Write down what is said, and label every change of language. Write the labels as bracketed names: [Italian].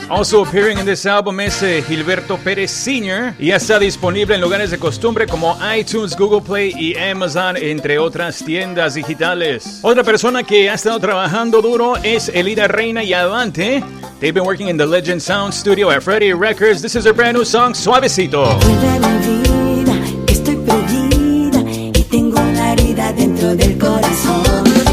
[English] Also appearing in this album [Spanish] es [English] Gilberto Pérez Sr. [Spanish] Y ya está disponible en lugares de costumbre como iTunes, Google Play y Amazon, entre otras tiendas digitales. Otra persona que ha estado trabajando duro es Elida Reina. Y adelante. [English] They've been working in the Legend Sound Studio at Freddy Records. This is their brand new song, Suavecito. [Spanish] Vuelve a mi vida, estoy perdida y tengo la herida dentro del corazón.